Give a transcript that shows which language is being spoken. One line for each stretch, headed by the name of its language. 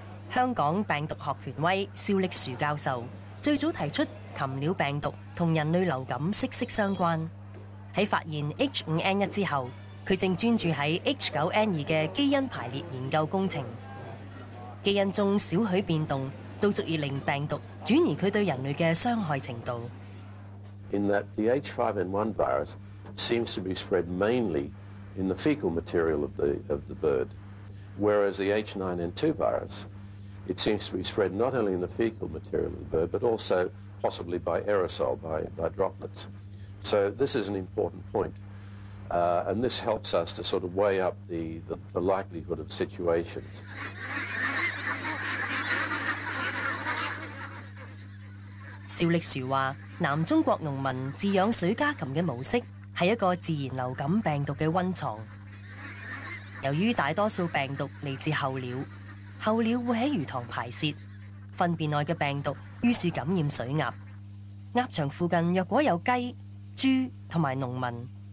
Chinese: 香港病毒學權威邵力樹教授最早提出禽鳥病毒和人類流感息息相關。在發現 H5N1 之後，他正專注在 H9N2 的基因排列研究工程。基因中少許變動都足以令病毒轉移他對人類的傷害程度。
English: In that the H5N1 virus seems to be spread mainly in the fecal material of the bird, whereas the H9N2 virus, it seems to be spread not only in the fecal material of the bird, but also possibly by aerosol, by droplets. So this is an important point, and this helps us to sort of weigh up the likelihood of situations.
Chinese: 邵力樹話：南中國農民飼養水家禽嘅模式是一個自然流感病毒的溫床。由於大多數病毒來自候鳥，候鳥會在魚塘排泄，糞便內的病毒於是感染水鴨。鴨場附近若果有雞、豬和農民，